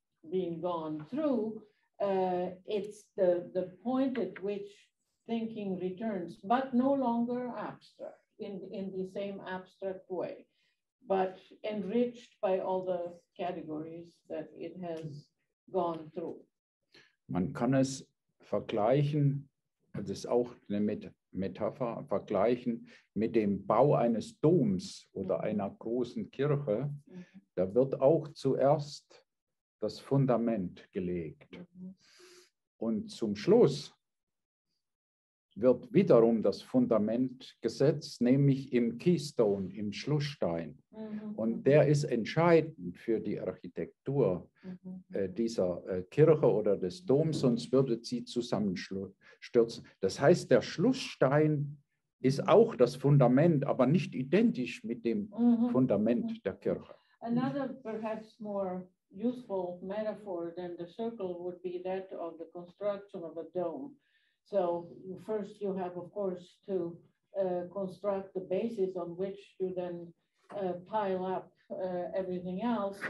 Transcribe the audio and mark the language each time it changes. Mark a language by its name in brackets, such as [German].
[English] been gone through, it's the point at which thinking returns, but no longer abstract in the same abstract way, but enriched by all the categories that it has gone through. [German] Man kann es vergleichen, das ist auch eine Metapher, vergleichen mit dem Bau eines Doms oder einer großen Kirche. Da wird auch zuerst das Fundament gelegt. Und zum Schluss wird wiederum das Fundament gesetzt, nämlich im Keystone, im Schlussstein. Mhm. Und der ist entscheidend für die Architektur dieser Kirche oder des Doms, sonst würde sie zusammenstürzen. Das heißt, der Schlussstein ist auch das Fundament, aber nicht identisch mit dem Fundament der Kirche. [English] Another perhaps more useful metaphor than the circle would be that of the construction of a dome. So first you have, of course, to construct the basis on which you then pile up everything else.